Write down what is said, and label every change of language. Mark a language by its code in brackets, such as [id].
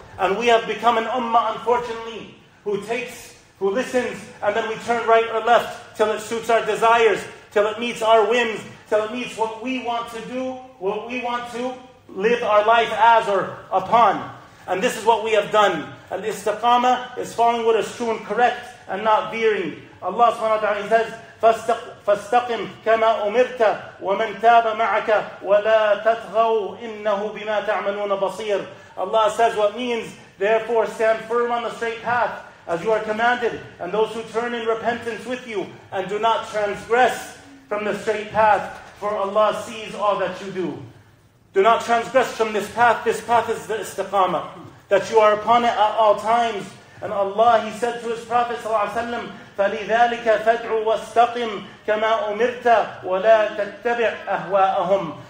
[en] And we have become an ummah, unfortunately, who listens, and then we turn right or left till it suits our desires, till it meets our whims, till it meets what we want to do, what we want to live our life as or upon. And this is what we have done. And istiqamah is following what is true and correct and not veering. Allah subhanahu wa ta'ala says, [ar] فَاسْتَقِمْ كَمَا أُمِرْتَ وَمَنْ تَابَ مَعَكَ وَلَا تَتْغَوْا إِنَّهُ بِمَا تَعْمَلُونَ بَصِيرٌ. [en] Allah says what means, therefore stand firm on the straight path, as you are commanded, and those who turn in repentance with you, and do not transgress from the straight path, for Allah sees all that you do. Do not transgress from this path. This path is the istiqamah, that you are upon it at all times. And Allah, he said to his Prophet ﷺ, [ar] فَلِذَٰلِكَ فَدْعُوا وَاسْتَقِمْ كَمَا أُمِرْتَ وَلَا تَتَّبِعْ أَهْوَاءَهُمْ.